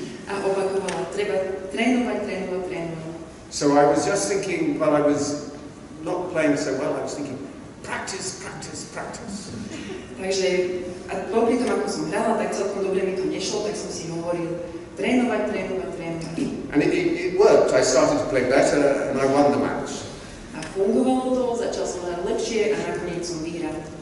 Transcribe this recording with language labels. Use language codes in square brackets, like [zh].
[sk] A opakovala, treba trénovať. [en] So I was just thinking, while I was not playing so well, I was thinking, practice. [sk] Takže, a popri tom, ako som hrala, tak celkom dobre mi to nešlo, tak som si hovoril, trénovať. [en] And it worked, I started to play better, and I won the match. [sk] A fungovalo to, začal lepšie a nakoniec som vyhral.